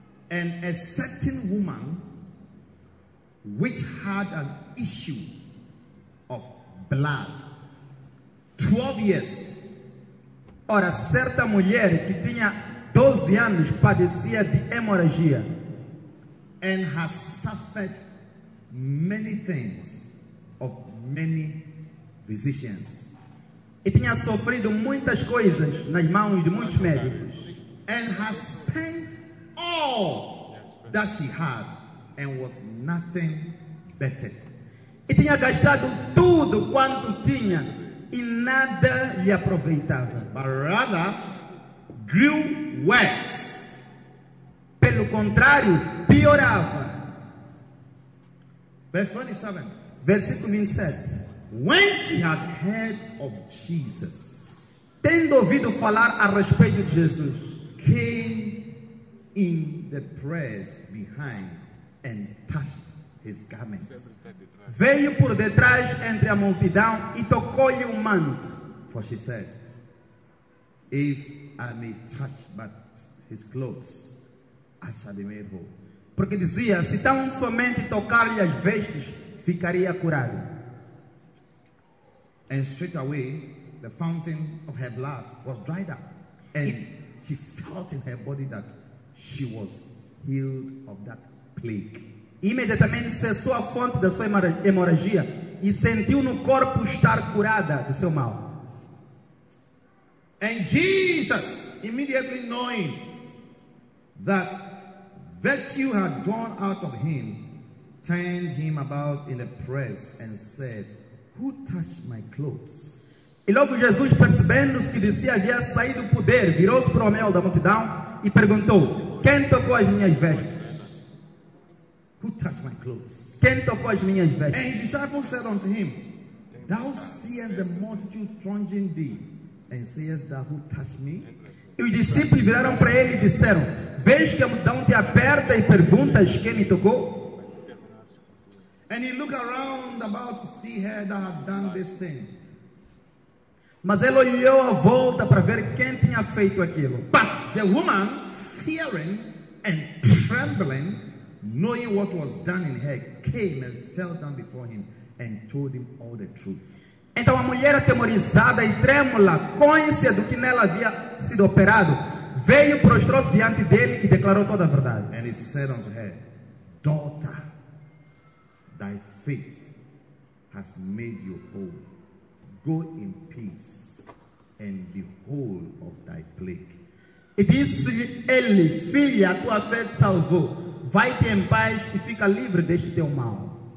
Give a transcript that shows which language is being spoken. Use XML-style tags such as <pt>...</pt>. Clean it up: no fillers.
<en>And a certain woman which had an issue of blood 12 years.</en> <pt>Ora, certa mulher que tinha 12 anos padecia de hemorragia.</pt> <en>And has suffered many things of many physicians.</en> <pt>E tinha sofrido muitas coisas nas mãos de muitos médicos.</pt> <en>And has spent all that she had and was nothing better.</en> <pt>E tinha gastado tudo quanto tinha e nada lhe aproveitava.</pt> <en>But rather grew worse.</en> <pt>Pelo contrário, piorava.</pt> <en>Verse 27.</en> <pt>Versículo 27.</pt> <en>When she had heard of Jesus,</en> <pt>tendo ouvido falar a respeito de Jesus,</pt> <en>came in the press behind and touched his garment.</en> <pt>Veio por detrás entre a multidão e tocou-lhe o manto.</pt> <en>For she said, if I may touch but his clothes, I shall be made whole.</en> <pt>Porque dizia, se tão somente tocar-lhe as vestes, ficaria curado.</pt> <en>And straight away, the fountain of her blood was dried up. And she felt in her body that she was healed of that plague.</en> <pt>Imediatamente cessou a fonte da sua hemorragia e sentiu no corpo estar curada do seu mal.</pt> <en>And Jesus, immediately knowing that virtue had gone out of him, turned him about in the press and said, who touched my clothes?</en> <pt>E logo Jesus, percebendo que de si havia saído o poder, virou-se para o meio da multidão e perguntou, quem tocou as minhas vestes?</pt> <en>Who touched my clothes?</en> <pt>Quem tocou as minhas vestes?</pt> <en>And his disciples said unto him, Thou seest the multitude thronging thee, and seest thou who touched me?</en> <pt>E os discípulos viraram para ele e disseram, Vês que a multidão te aperta e perguntas quem me tocou?</pt> <en>And he looked around about to see her that had done this thing.</en> <pt>Mas ele olhou à volta para ver quem tinha feito aquilo.</pt> <en>But the woman, fearing and trembling, knowing what was done in her, came and fell down before him and told him all the truth.</en> <pt>Então a mulher atemorizada e trêmula, consciente do que nela havia sido operado, veio prostrou-se diante dele e declarou toda a verdade.</pt> <en>And he said unto her, Daughter, thy faith has made you whole. Go in peace and be whole of thy plague.</en> <pt>E disse-lhe ele, filha, tua fé te salvou. Vai-te em paz e fica livre deste teu mal.</pt>